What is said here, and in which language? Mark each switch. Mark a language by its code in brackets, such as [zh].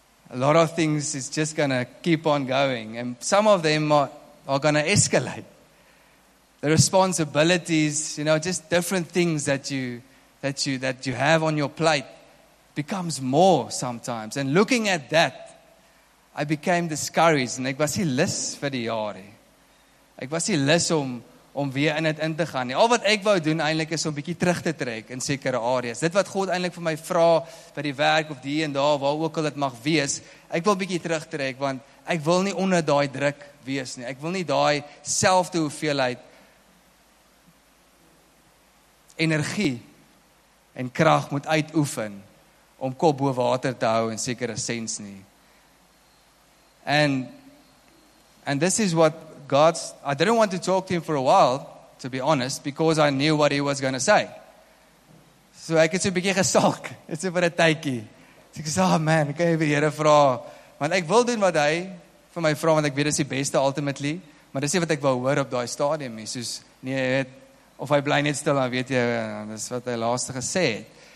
[en] A lot of things is just going to keep on going. And some of them are going to escalate. The responsibilities, you know, just different things that you have on your plate becomes more sometimes. And looking at that, I became discouraged. [af] And ek was nie lus vir die jaar nie. Ek was nie lus om weer in dit in te gaan nie. Al wat ek wou doen eintlik is om bietjie terug te trek in sekere areas. Dit wat God eintlik vir my vra vir die werk of die en daar waar ook al dit mag wees, ek wil bietjie terugtrek want ek wil nie onder daai druk wees nie. Ek wil nie daai selfde hoeveelheid energie en krag moet uitoefen om kop bo water te hou in sekere sens nie. [en] And this is what God's, I didn't want to talk to Him for a while, to be honest, because I knew what He was going to say. [af] So ek het so 'n bietjie gesulk. Dit is vir 'n tydjie. So ek sê, "Oh man, kan jy vir die Here vra? Want ek wil doen wat Hy vir my vra, want ek weet dit is die beste ultimately, maar dis nie wat ek wou hoor op daai stadium nie. Soos nee, het, of hy bly net stil, dan weet jy, dis wat hy laaste gesê het.